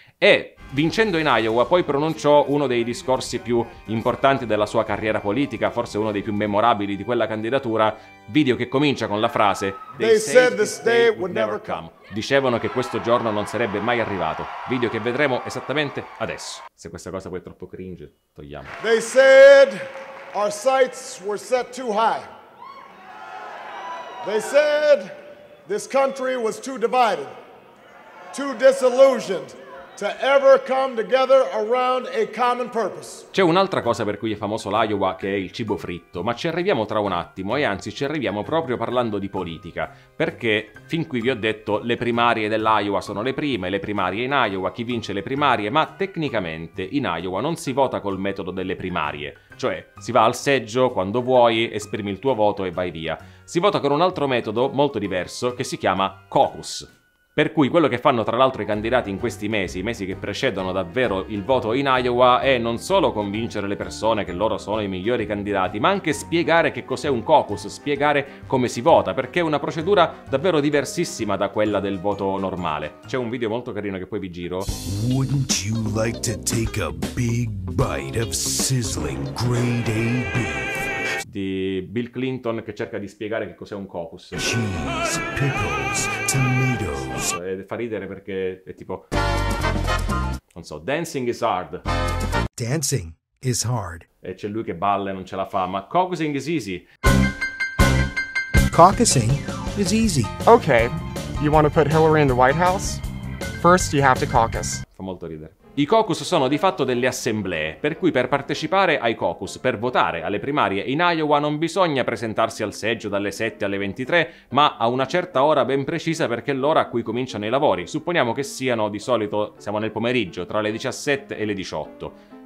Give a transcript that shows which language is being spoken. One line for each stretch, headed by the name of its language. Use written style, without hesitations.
Italian: E vincendo in Iowa poi pronunciò uno dei discorsi più importanti della sua carriera politica, forse uno dei più memorabili di quella candidatura, video che comincia con la frase
English: "They said this day would never come".
Italian: Dicevano che questo giorno non sarebbe mai arrivato. Video che vedremo esattamente adesso. Se questa cosa poi è troppo cringe, togliamo.
English: They said our sights were set too high. They said this country was too divided, too disillusioned to ever come together around a common purpose.
Italian: C'è un'altra cosa per cui è famoso l'Iowa, che è il cibo fritto, ma ci arriviamo tra un attimo, e anzi ci arriviamo proprio parlando di politica, perché fin qui vi ho detto le primarie dell'Iowa sono le primarie in Iowa, chi vince le primarie, ma tecnicamente in Iowa non si vota col metodo delle primarie, cioè si va al seggio quando vuoi, esprimi il tuo voto e vai via. Si vota con un altro metodo molto diverso che si chiama caucus. Per cui quello che fanno tra l'altro i candidati in questi mesi, i mesi che precedono davvero il voto in Iowa, è non solo convincere le persone che loro sono i migliori candidati, ma anche spiegare che cos'è un caucus, spiegare come si vota, perché è una procedura davvero diversissima da quella del voto normale. C'è un video molto carino che poi vi giro.
English: Wouldn't you like to take a big bite of sizzling grade A beef?
Italian: Di Bill Clinton che cerca di spiegare che cos'è un caucus.
English: Cheese, pickles, tomatoes.
Italian: E fa ridere perché è tipo, non so,
English: dancing is hard. Dancing is hard.
Italian: E c'è lui che balla e non ce la fa, ma
English: caucusing is easy. Caucusing is easy. Okay, you want to put Hillary in the White House? First you have to caucus.
Italian: Fa molto ridere. I caucus sono di fatto delle assemblee, per cui per partecipare ai caucus, per votare alle primarie in Iowa, non bisogna presentarsi al seggio dalle 7 alle 23, ma a una certa ora ben precisa, perché è l'ora a cui cominciano i lavori. Supponiamo che siano, di solito siamo nel pomeriggio, tra le 17 e le 18.